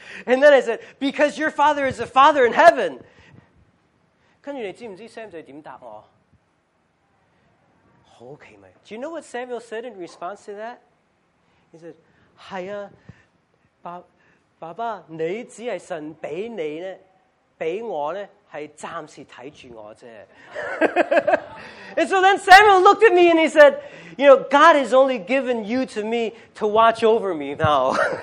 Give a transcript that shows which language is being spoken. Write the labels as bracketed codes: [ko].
[en] And then I said, because your father is a father in heaven. [zh] 跟着你知不知道 Sam 仔怎么答我好奇妙。 [en] Do you know what Samuel said in response to that? He said, [zh] 是啊爸爸你只是神给你呢给我呢是暂时看住我而已。 [en] And so then Samuel looked at me and he said, you know, God has only given you to me to watch over me now.